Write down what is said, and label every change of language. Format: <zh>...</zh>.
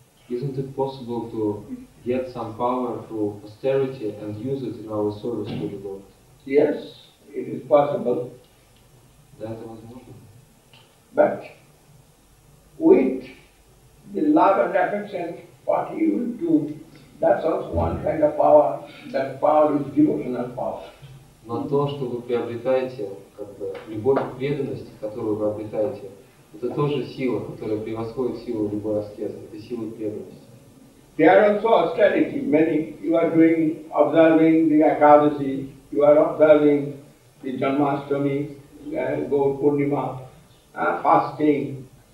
<en>Isn't it possible to get some power through austerity and use it in our service to the Lord? Yes, it is possible. That was possible. But with the love and affection, what you will do, that's also one kind of power. That power is devotional power.</en> <ru>Но то, что вы приобретаете, любовь и преданность, которую вы обретаете, это тоже сила, которая превосходит силу любой аскезы. Это сила преданности.</ru> <en>They are also austerity. Many you are doing, observing the Akadasi, you are observing the Janmashtami, Gaur Purnima, fasting.</en>